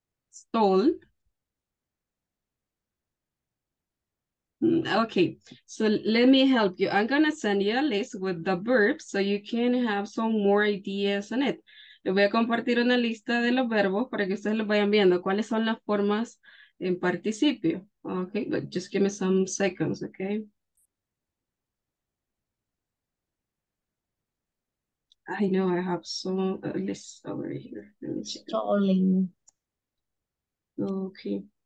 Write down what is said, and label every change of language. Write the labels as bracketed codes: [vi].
[en] Stole. Okay, so let me help you. I'm gonna send you a list with the verbs so you can have some more ideas on it. [es] Le voy a compartir una lista de los verbos para que ustedes los vayan viendo cuáles son las formas en participio. [en] Okay, but just give me some seconds, okay? I know I have some lists over here. Let me check. Stalling. Okay.